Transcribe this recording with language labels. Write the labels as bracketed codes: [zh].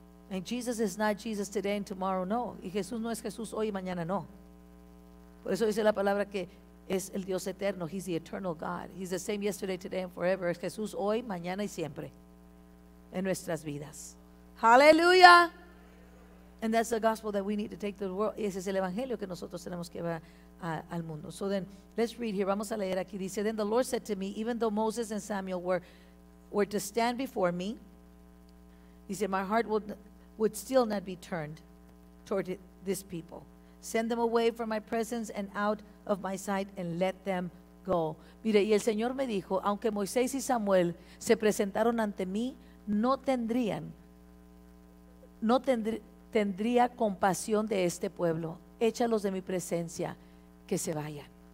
[en] And Jesus is not Jesus today and tomorrow, no. [es] Y Jesús no es Jesús hoy y mañana, no. Por eso dice la palabra que es el Dios eterno. [en] He's the eternal God. He's the same yesterday, today, and forever. [es] Es Jesús hoy, mañana y siempre en nuestras vidas. [en] Hallelujah. And that's the gospel that we need to take to the world. [es] Y ese es el evangelio que nosotros tenemos que llevar al mundo. [en] So then, let's read here. [es] Vamos a leer aquí. Dice, [en] then the Lord said to me, even though Moses and Samuel were to stand before me, he said, my heart would still not be turned toward this people. Send them away from my presence and out of my sight and let them go. [es] Mire, y el Señor me dijo, aunque Moisés y Samuel se presentaron ante mí, no tendría compasión de este pueblo. Échalos de mi presencia, que se vayan.